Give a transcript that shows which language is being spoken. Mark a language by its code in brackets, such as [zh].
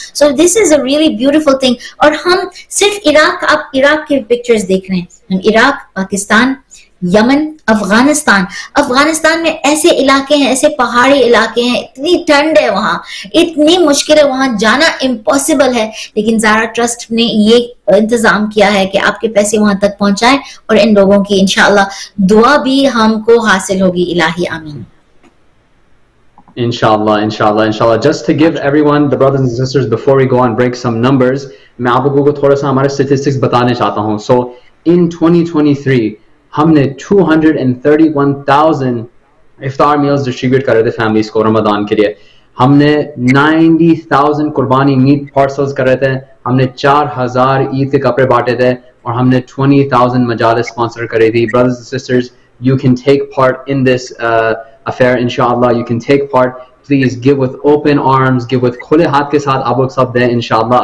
[en] So this is a really beautiful thing. [hi] और हम सिर्फ इराक, आप इराक के पिक्चर्स देख रहे हैं, हम इराक, पाकिस्तान, यमन, अफगानिस्तान, अफगानिस्तान में ऐसे इलाके हैं, ऐसे पहाड़ी इलाके हैं, इतनी ठंड है वहां, इतनी मुश्किल है वहां जाना, इम्पॉसिबल है, लेकिन ज़हरा ट्रस्ट ने ये इंतजाम किया है कि आपके पैसे वहां तक पहुंचाएं और इन लोगों की इंशाल्लाह दुआ भी हमको हासिल होगी। इलाही आमीन। [ar] Inshallah, inshallah, inshallah. [en] Just to give everyone, the brothers and sisters, before we go on break, some numbers, [hi] मैं आपको को थोड़ा सा हमारे statistics बताने चाहता हूँ। So, in 2023, हमने 231,000 iftar meals distribute करे थे families को रमदान के लिए। हमने 90,000 कुर्बानी meat parcels करे थे। हमने 4,000 ईद के कपड़े बांटे थे और हमने 20,000 मजालिस sponsor करे थी। [en] Brothers and sisters, you can take part in this affair, inshallah, you can take part. Please give with open arms, give with [hi] khule haath ke saath, aap log sab dein, [en] inshallah.